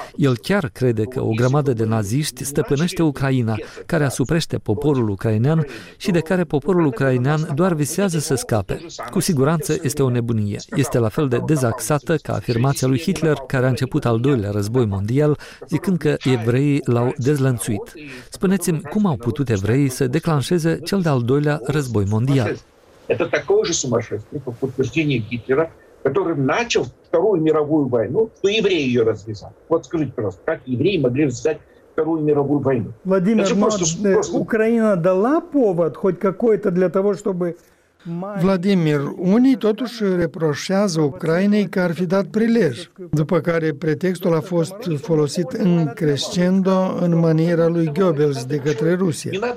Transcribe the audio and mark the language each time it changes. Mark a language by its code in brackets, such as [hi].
[ro] El chiar crede că o grămadă de naziști stăpânește Ucraina, care asuprește poporul ucrainean și de care poporul ucrainean doar visează să scape. Cu siguranță este o nebunie. Este la fel de dezaxată ca afirmația lui Hitler, care a început al doilea război mondial, zicând că evreii l-au dezlănțuit. Spuneți-mi, cum au putut evreii să declanșeze cel de-al doilea război mondial? Este [ru] такое же сумасшествие, по подтверждению Гитлера, который начал Вторую мировую войну, что евреи ее развязали. Вот скажите, пожалуйста, как евреи могли развязать Вторую мировую войну? Владимир, Украина дала повод хоть какой-то для того, чтобы... [ro] Vladimir, unii totuși reproșează Ucrainei că ar fi dat prilej, după care pretextul a fost folosit în crescendo în maniera lui Goebbels de către Rusia.